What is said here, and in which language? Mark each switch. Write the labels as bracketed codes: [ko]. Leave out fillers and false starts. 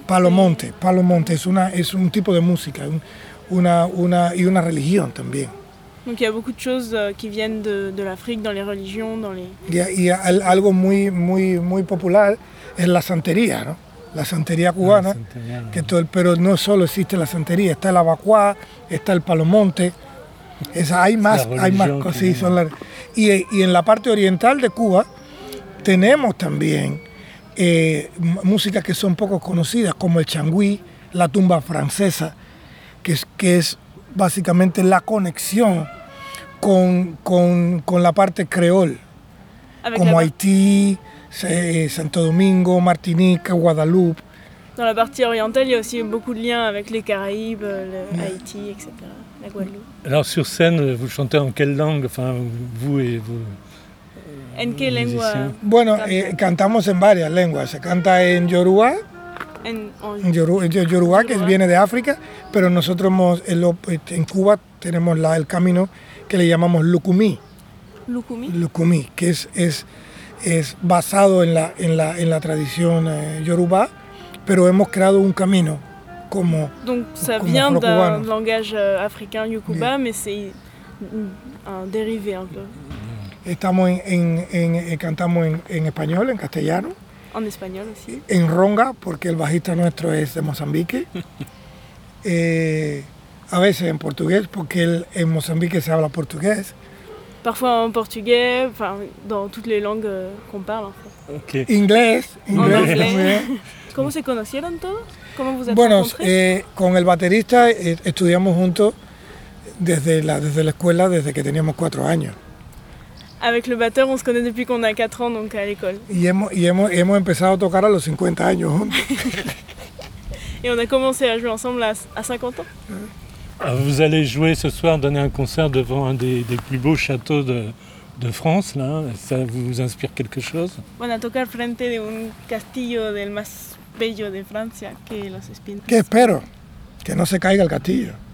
[es] Palo monte, es un tipo de música, y una religión también. [fr] Donc il y a beaucoup de choses qui viennent de l'Afrique, dans les religions, dans les... [es] Y algo muy, muy, muy popular es la santería, ¿no? La santería cubana, pero no solo existe la santería, está el abacuá, está el palo monte, hay más cosas. Sí, y en la parte oriental de Cuba tenemos también músicas que son poco conocidas, como el changüí, la tumba francesa, que es básicamente la conexión con la parte creol, como Haití, Santo Domingo, Martinique, Guadalupe. [fr] Dans la partie orientale, il y a aussi beaucoup de liens avec les Caraïbes, Haïti, etc., la Guadeloupe. Alors sur scène, vous chantez en quelle langue, enfin, vous et vos... [es] ¿En qué lengua? Bueno, cantamos en varias lenguas. Se canta en yoruba. En yoruba, que viene de África, pero nosotros en Cuba tenemos el camino que le llamamos lukumí. ¿Lukumí? Lukumí, que es basado en la tradición yoruba, pero hemos creado un camino como. [fr] Donc, ça [es] como [fr] vient d'un cubano. Langage africain yukuba, mais c'est un dérivé un peu. [es] Estamos cantamos en español, en castellano. En español, sí. En ronga, porque el bajista nuestro es de Mozambique. A veces en portugués, porque en Mozambique se habla portugués. [fr] parfois en portugais, enfin dans toutes les langues qu'on parle en fait. [es] Ok. Inglés, inglés. [fr] En anglais. [es] ¿Cómo se conocieron todos? ¿Cómo vos bueno, con el baterista estudiamos juntos desde la escuela, desde que teníamos 4 años. [fr] Avec le batteur, on se connaît depuis qu'on a 4 ans, donc à l'école. [es] Y hemos empezado a tocar a los 50 años. [fr] Et on a commencé à jouer ensemble à 50 ans. Vous allez jouer ce soir, donner un concert devant un des plus beaux châteaux de France, là. Ça vous inspire quelque chose? [es] Bueno, tocar frente de un castillo del más bello de Francia, que Los Espinos. Que espero, que no se caiga el castillo.